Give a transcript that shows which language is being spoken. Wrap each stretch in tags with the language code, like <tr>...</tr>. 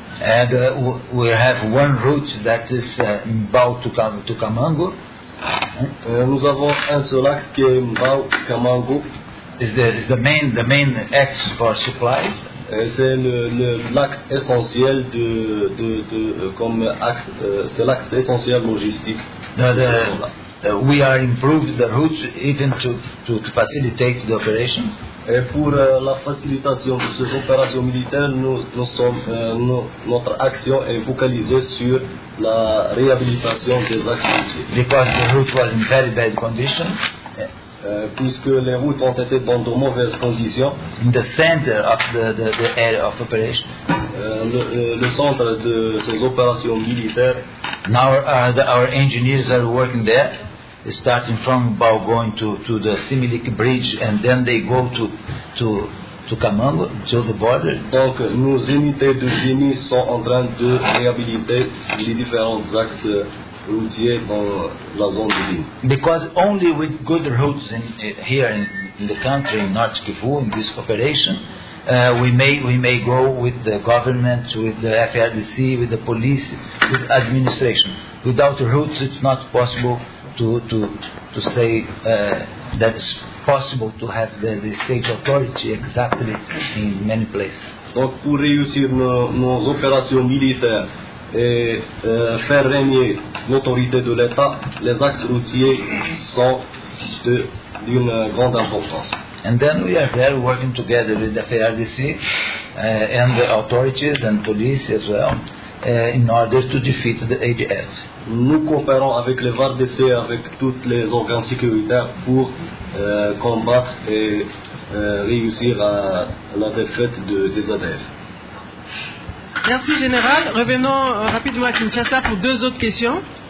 <en>And we have one route that is about to come Angu.</en> <fr>Nous avons un seul axe qui est Mbao Kamango.</fr> <en>Is the main axe for supplies?</en> <fr>C'est l'axe essentiel de comme axe c'est l'axe essentiel logistique.</fr> <en>We are improved the route even to facilitate the operation.</en> <fr>Et pour la facilitation de ces opérations militaires, notre action est focalisée sur la réhabilitation des axes.</fr> <en>Because the route was in very bad condition.</en> <fr>Puisque les routes ont été dans de mauvaises conditions.</fr> <en>In the center of the area of operation.</en> <fr>Le centre de ces opérations militaires.</fr> <en>Now our engineers are working there. Starting from Bao, going to the Similik Bridge, and then they go to to come over to the border.</en> <fr>Donc nos unités de génie sont en train de réhabiliter les différents axes routiers dans la zone de ligne.</fr> <en>Because only with good roads in here in the country in North Kivu in this operation, we may go with the government, with the FARDC, with the police, with administration. Without roads, it's not possible to say that it's possible to have the state authority exactly in many places.</en> <fr>Donc pour réussir nos opérations militaires et faire régner l'autorité de l'État, les axes routiers sont d'une grande importance.</fr> <en>And then we are there working together with the FARDC and the authorities and police as well in order to defeat the ADF.</en> <fr>Nous coopérons avec les FARDC et avec toutes les organes sécuritaires pour combattre et réussir à la défaite des ADF. Merci Général. Revenons rapidement à Kinshasa pour deux autres questions.</fr>